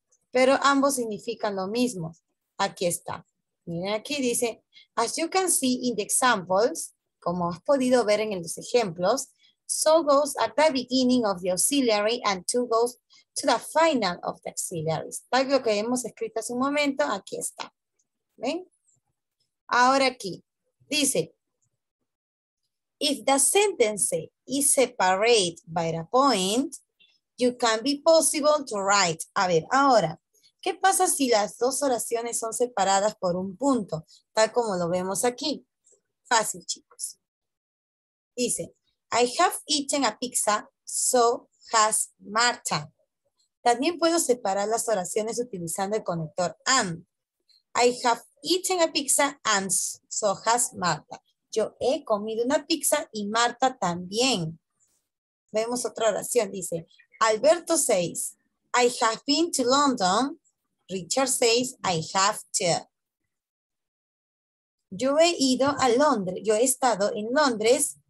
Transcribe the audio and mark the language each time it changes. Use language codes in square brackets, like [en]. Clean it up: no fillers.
[es] Pero ambos significan lo mismo. Aquí está. Miren, aquí dice, [en] as you can see in the examples, [es] como has podido ver en los ejemplos, [en] so goes at the beginning of the auxiliary and to goes to the final of the auxiliaries. [es] Tal lo que hemos escrito hace un momento, aquí está. ¿Ven? Ahora aquí, dice, [en] if the sentence is separated by a point, you can be possible to write. [es] A ver, ahora, ¿qué pasa si las dos oraciones son separadas por un punto, tal como lo vemos aquí? Fácil, chicos. Dice, [en] I have eaten a pizza, so has Marta. [es] También puedo separar las oraciones utilizando el conector and. [en] I have eaten a pizza and so has Marta. [es] Yo he comido una pizza y Marta también. Vemos otra oración, dice, [en] Alberto says, I have been to London. Richard says, I have to. [es] Yo he ido a Londres. Yo he estado en Londres.